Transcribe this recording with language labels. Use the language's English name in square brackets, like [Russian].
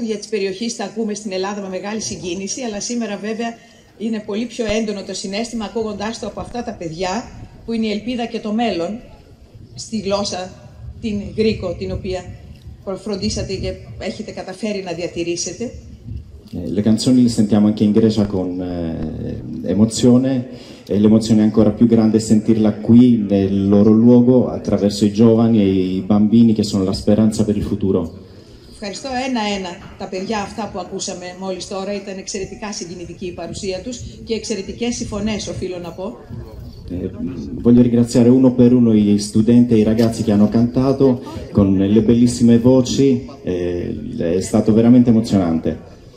[Greek] Περιοχής τα ακούμε στην Ελλάδα με μεγάλη συγκίνηση, αλλά σήμερα βέβαια είναι πολύ πιο έντονο το συνέστημα ακούγοντάς το από αυτά τα παιδιά που είναι η ελπίδα και το μέλλον στη γλώσσα την Γρίκο, την οποία φροντίσατε και έχετε καταφέρει να διατηρήσετε. [Italian] Le canzoni le sentiamo anche in Grecia con emozione e l'emozione è ancora più grande sentirla qui nel loro luogo attraverso i giovani e i bambini che sono la speranza per il futuro. [Greek] Ευχαριστώ ένα-ένα τα παιδιά αυτά που ακούσαμε μόλις τώρα. Ήταν εξαιρετικά συγκινητική η παρουσία τους και εξαιρετικές οι φωνές, οφείλω να πω. [Italian] Voglio ringraziare uno per uno gli studenti e i ragazzi che hanno cantato con le bellissime voci. È stato veramente emozionante.